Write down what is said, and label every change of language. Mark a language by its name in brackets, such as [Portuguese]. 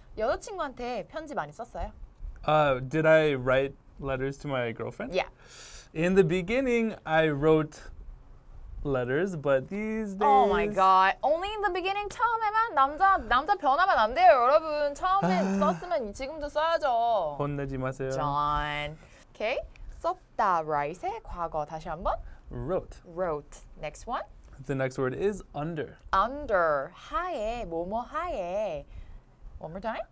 [Korean] 여자친구한테 편지 많이 썼어요? [English] Did I write letters to my girlfriend? Yeah. In the beginning, I wrote letters, but these days... Oh my god. Only in the beginning, [Korean] 처음에만 남자 변하면 안 돼요, 여러분. 처음에 썼으면 지금도 써야죠. 혼내지 마세요. John. Okay, 썼다, write의 과거. 다시 한 번. [English] Wrote. Wrote. Next one. The next word is under. Under, [Korean] 하에, 뭐뭐 하에. [English] One more time?